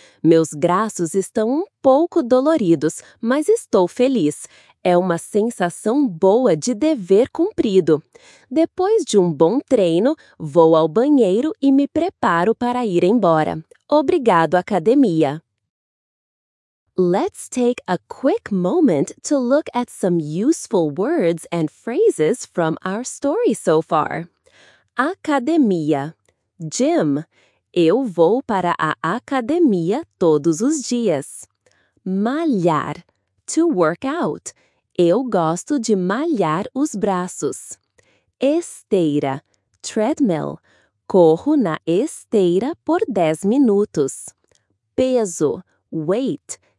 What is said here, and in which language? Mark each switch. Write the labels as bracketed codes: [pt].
[pt] Meus braços estão um pouco doloridos, mas estou feliz. É uma sensação boa de dever cumprido. Depois de um bom treino, vou ao banheiro e me preparo para ir embora. Obrigado, academia! [en] Let's take a quick moment to look at some useful words and phrases from our story so far. [pt] Academia. Gym. Eu vou para a academia todos os dias. Malhar. [en] To work out. [pt] Eu gosto de malhar os braços. Esteira. Treadmill. Corro na esteira por 10 minutos. Peso. Weight.